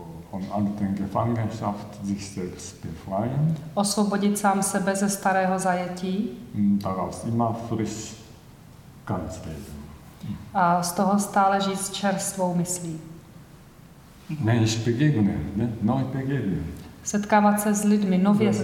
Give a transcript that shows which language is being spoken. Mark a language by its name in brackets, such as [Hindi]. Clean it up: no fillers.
[German] Von alten Gefangenschaft sich selbst befreien. [Czech] Osvobodit sám sebe ze starého zajetí. [German] Daraus immer frisch ganz leben. [Czech] A z toho stále žít s čerstvou myslí. [German] Mensch begegnen, ne? Neu begegnen. [Czech] Setkávat se s lidmi, nově se